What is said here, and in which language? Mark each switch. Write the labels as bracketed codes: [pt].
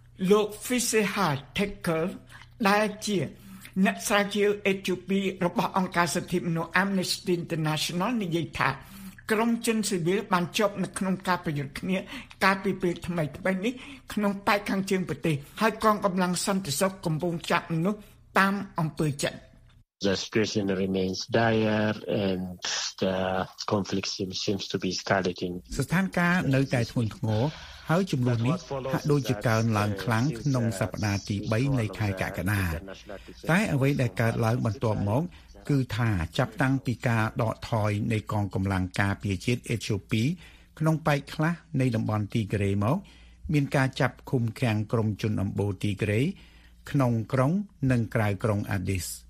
[km] លោក Fisher Tackle ដែលជាអ្នកស្រាវជ្រាវអេត្យូពីរបស់អង្គការសិទ្ធិមនុស្ស Amnesty International និយាយថាក្រុមជនស៊ីវិលបានជាប់នៅក្នុងការប្រយុទ្ធគ្នាកាលពីពេលថ្មីៗនេះក្នុងប៉ែកខាងជើងប្រទេសហើយកងកម្លាំងសន្តិសុខកំពុងចាប់មនុស្សតាមអំពើចិត្ត [en] The situation remains dire and the conflict seems to be escalating. [km] ស្ថានការណ៍នៅតែធ្ងន់ធ្ងរហើយចំនួននេះហាក់ដូចជាកើនឡើងខ្លាំងក្នុងសប្តាហ៍ទី3នៃខែកក្កដាតែអ្វីដែលកើតឡើងបន្ទាប់មកគឺថាចាប់តាំងពីការដកថយនៃកងកម្លាំងការពារជាតិអេត្យូពីក្នុងប៉ែកខ្លះនៃតំបន់ទីក្រេមកមានការចាប់ឃុំឃាំងក្រុមជនអំបូរទីក្រេក្នុងក្រុងនិងក្រៅក្រុងអាឌីស